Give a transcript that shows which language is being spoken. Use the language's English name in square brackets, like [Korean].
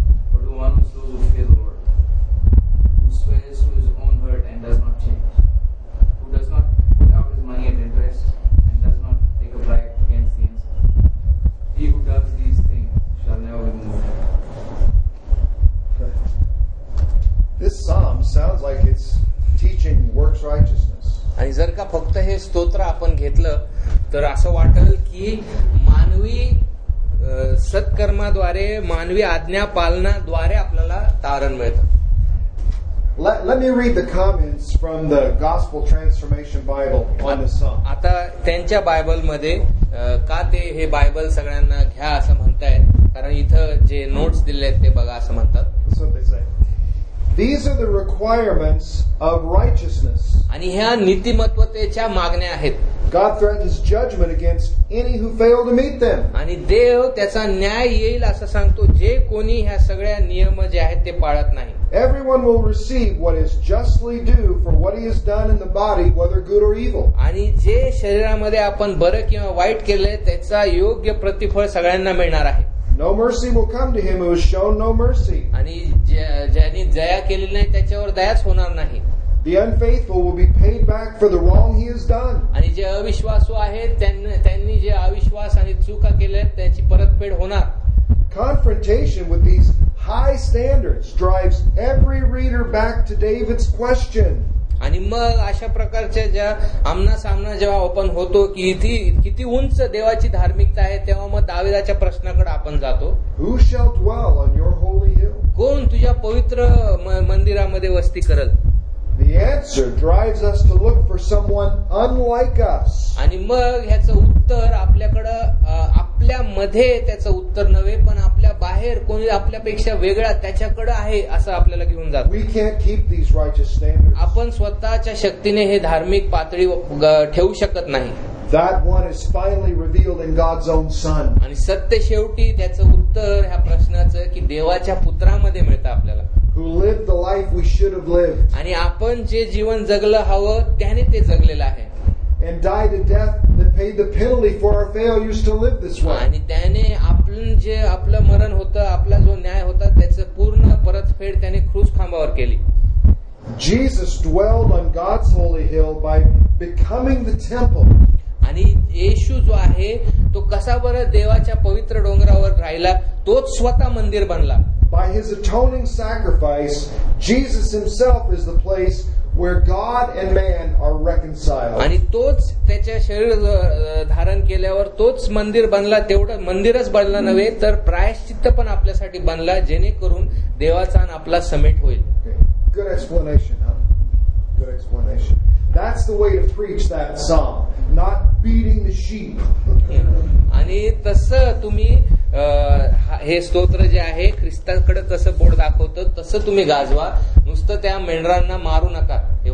[English] For the one who sows will fear the Lord, who swears to his own hurt and does not change, who does not put out his money at interest and does not take a bribe against the innocent. He who does these things shall never be moved. This psalm sounds like it's teaching works righteousness. [Marathi] आणि जर का फक्त हे स्तोत्र आपण घेतलं तर असं वाटेल की मानवी सत्कर्माद्वारे मानवी आज्ञा पालनाद्वारे आपल्याला तारण मिळतं. [English] Let me read the comments from the Gospel Transformation Bible on this psalm. [Marathi] आता त्यांच्या बायबल मध्ये का ते हे बायबल सगळ्यांना घ्या असं म्हणतायत, कारण इथं जे नोट्स दिले आहेत ते बघा असं म्हणतात. [English] These are the requirements of righteousness. [Marathi] आणि ह्या नीतिमत्तेच्या मागण्या आहेत. [English] God threatens judgment against any who fail to meet them. [Marathi] आणि देव त्याचा न्याय येईल असं सांगतो जे कोणी ह्या सगळ्या नियम जे आहेत ते पाळत नाही. [English] Everyone will receive what is justly due for what he has done in the body, whether good or evil. [Marathi] आणि जे शरीरामध्ये आपण बरं किंवा वाईट केलंय त्याचा योग्य प्रतिफळ सगळ्यांना मिळणार आहे. [English] No mercy will come to him who has shown no mercy. [Marathi] आणि ज्यांनी दया केली नाही त्याच्यावर दयाच होणार नाही. [English] The unfaithful will be paid back for the wrong he has done. [Marathi] आणि जे अविश्वासू आहेत त्यांनी जे अविश्वास आणि चुका केल्या त्याची परतफेड होणार. [English] Confrontation with these high standards drives every reader back to David's question. [Marathi] आणि मग अशा प्रकारच्या ज्या आमना सामना जेव्हा आपण होतो की इथे किती उंच देवाची धार्मिकता आहे तेव्हा मग दाविदाच्या प्रश्नाकडे आपण जातो. [English] Who shall dwell on your holy hill? [Marathi] कोण तुझ्या पवित्र मंदिरामध्ये वस्ती करल? [English] The answer drives us to look for someone unlike us. [Marathi] आणि मग ह्याचं उत्तर आपल्याकडे आपल्या मध्ये त्याचं उत्तर नव्हे पण आपल्या बाहेर कोणी आपल्यापेक्षा वेगळा त्याच्याकडे आहे असं आपल्याला घेऊन जातो. [English] We can't keep these righteous standards. [Marathi] आपण स्वतःच्या शक्तीने हे धार्मिक पातळी ठेवू शकत नाही. [English] That one is finally revealed in God's own son. [Marathi] आणि सत्य शेवटी त्याचं उत्तर ह्या प्रश्नाचं की देवाच्या पुत्रामध्ये मिळतं आपल्याला. [English] Who lived the life we should have lived. [Marathi] आणि आपण जे जीवन जगलं हवं त्याने ते जगलेलं आहे. [English] And died the death that paid the penalty for our failures to live this way. [Marathi] आणि त्याने आपलं जे आपलं मरण होतं आपला जो न्याय होता त्याचं पूर्ण परतफेड त्याने क्रूस खांबावर केली. [English] Jesus dwelled on God's holy hill by becoming the temple. [Marathi] आणि येशू जो आहे तो कसा बरं देवाच्या पवित्र डोंगरावर राहिला तोच स्वतः मंदिर बनला. [English] By his atoning sacrifice, Jesus himself is the place where God and man are reconciled. [Marathi] आणि तोच त्याच्या शरीर धारण केल्यावर तोच मंदिर बनला. तेवढं मंदिरच बनला नव्हे तर प्रायश्चित्त पण आपल्यासाठी बनला जेणेकरून देवाचा आणि आपला समेट होईल. [English] Good explanation, huh? Good explanation. That's the way to preach that psalm, not beating the sheep. [Marathi] आणि तसं तुम्ही हे स्तोत्र जे आहे ख्रिस्ताकडे कसं बोट दाखवतं तसं तुम्ही गाजवा, नुसतं त्या मेंढरांना मारू नका.